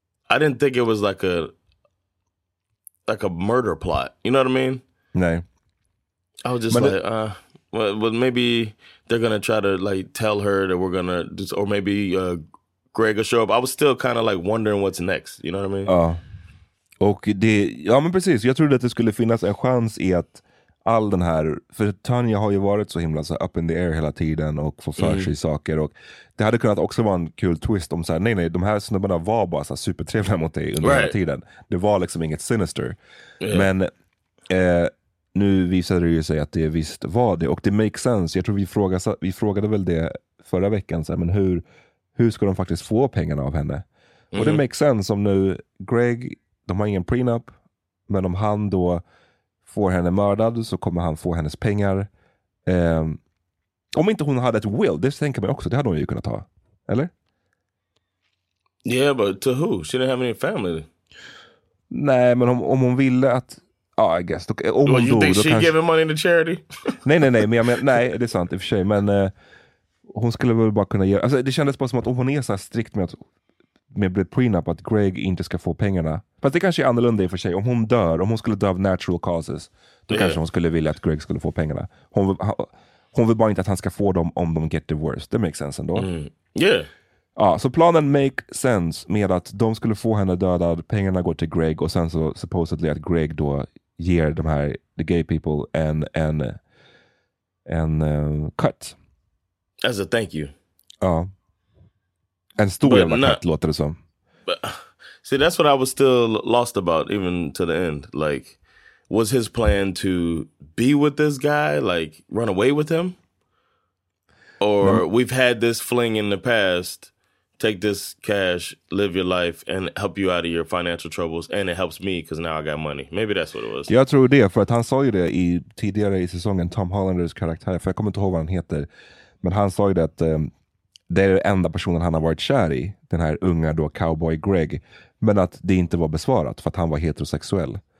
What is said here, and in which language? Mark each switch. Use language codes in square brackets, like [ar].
[en] I didn't think it was like a murder plot. You know what I mean? No. I was just but maybe they're going to try to like tell her that we're going to just, or maybe Greg will show up. I was still kind of like wondering what's next. You know what I mean? [sv] Ja. Och det, ja men precis. Jag trodde att det skulle finnas en chans i att all den här, för Tanya har ju varit så himla så [en] up in the air [sv] hela tiden och får för sig saker, och det hade kunnat också vara en kul twist om så här, nej, de här snubbarna var bara så supertrevliga mot dig under hela tiden. Det var liksom inget sinister. Yeah. Men nu visade det ju sig att det visst var det, och det [en] makes sense. [sv] Jag tror vi frågade väl det förra veckan, så här, men hur ska de faktiskt få pengarna av henne? Mm. Och det [en] makes sense [sv] om nu Greg, de har ingen prenup, men om han då får henne mördad så kommer han få hennes pengar. Om inte hon hade ett will, det tänker man också, det hade hon ju kunnat ta, eller? [en] Yeah, but to who? She didn't have any family. [sv] Nej, men om hon ville att, ja, [en] I guess. [sv] Okay, om [en] well, you think she kanske gave money to charity? [sv] Nej, men jag menar, nej, det är sant i och för sig, men hon skulle väl bara kunna göra, alltså det kändes bara som att om hon är så här strikt med blivit prenup att Greg inte ska få pengarna. Fast det kanske är annorlunda i och för sig. Om hon skulle dö av natural causes, då kanske hon skulle vilja att Greg skulle få pengarna. Hon vill bara inte att han ska få dem om de [en] get divorced. [sv] Det [en] makes sense [sv] ändå. Mm. Yeah. Ja, så planen make sense med att de skulle få henne dödad, pengarna går till Greg, och sen så supposedly att Greg då ger de här, [en] the gay people, [sv] en cut. [en] As a thank you. [sv] Ja. En stor jävla cut, låter det som. [en] See, that's what I was still lost about, even to the end. Like, was his plan to be with this guy? Like, run away with him? Or we've had this fling in the past. Take this cash, live your life, and help you out of your financial troubles. And it helps me, because now I got money. Maybe that's what it was. [sv] Jag tror det, för att han sa ju det i tidigare i säsongen, Tom Hollanders karaktär. För jag kommer inte ihåg vad han heter. Men han sa ju det att det är den enda personen han har varit kär i, den här unga då cowboy Greg, men att det inte var besvarat för att han var heterosexuell.